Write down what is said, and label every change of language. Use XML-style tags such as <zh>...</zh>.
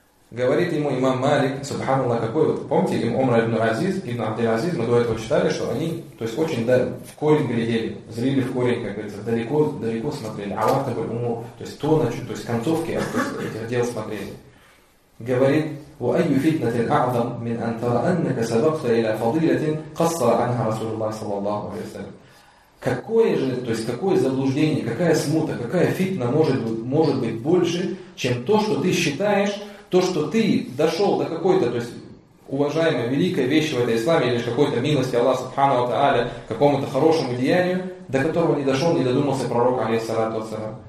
<ru>Говорит ему имам Малик, Субханалла, какой вот, помните, им Умра ибн Азиз, ибн Абдель-Азиз, мы до этого считали, что они, то есть очень в корень глядели, зрели в корень, как говорится, далеко, далеко смотрели, а вот такой ум, то есть то, значит, то есть концовки этих дел смотрели. Говорит:</ru> <ar>وأي فتنة أعظم من أن ترى أنك سبقت إلى فضيلة قصر عنها رسول الله صلى الله عليه وسلم.</ar> <ru>Какое же, то есть какое заблуждение, какая смута, какая фитна может быть больше, чем то, что ты считаешь, то, что ты дошел до какой-то, то есть уважаемой великой вещи в этой исламе или какой-то милости Аллаха Субхана ва Тааля, какому-то хорошему деянию, до которого не дошел, не додумался пророк алейхиссалату вассалям.</ru>